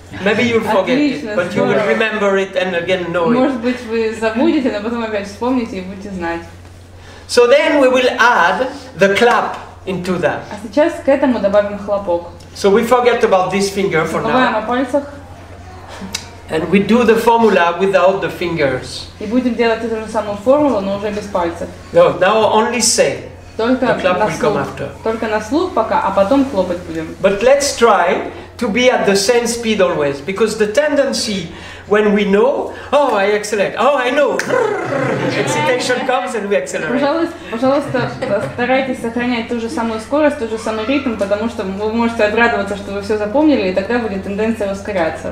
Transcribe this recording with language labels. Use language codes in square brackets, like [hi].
[en] Maybe you'll forget it, but you will remember it and again know it. [ru] Может быть вы забудете, но потом опять вспомните и будете знать. [en] So then we will add the clap into that. [ru] А сейчас к этому добавим хлопок. [en] So we forget about this finger for now. [ru] Забываем о пальцах. [en] And we do the formula without the fingers. [ru] И будем делать эту же самую формулу, но уже без пальцев. [en] No, now only say. [ru] Только на слух пока, а потом хлопать будем. [en] But let's try to be at the same speed always, because the tendency when we know, I accelerate, I know, excitation comes and we accelerate. [ru] Пожалуйста, старайтесь сохранять ту же самую скорость, ту же самый ритм, потому что вы можете обрадоваться, что вы все запомнили, и тогда будет тенденция ускоряться.